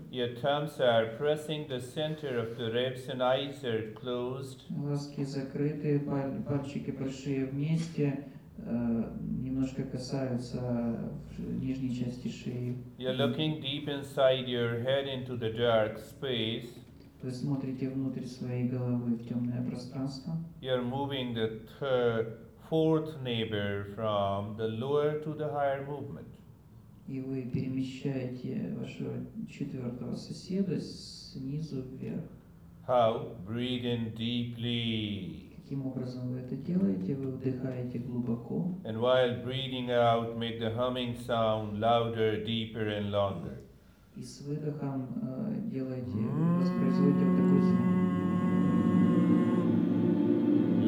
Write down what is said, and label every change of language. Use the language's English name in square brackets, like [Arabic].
[English] Your thumbs are pressing the center of the ribs and eyes are closed. [Russian] Глазки закрыты, пальчики большие вместе. Немножко касаются нижней части шеи. [English] You're looking deep inside your head into the dark space. [Russian] Вы смотрите внутрь своей головы в темное пространство. [English] You're moving the fourth neighbor from the lower to the higher movement. [Russian] И вы перемещаете вашего четвертого соседа снизу вверх. [English] How? Breathe in deeply. [Russian] Каким образом вы это делаете? Вы вдыхаете глубоко. And while breathing out, make the humming sound louder, deeper and longer. И с выдохом делаете, воспроизводите вот такой звук.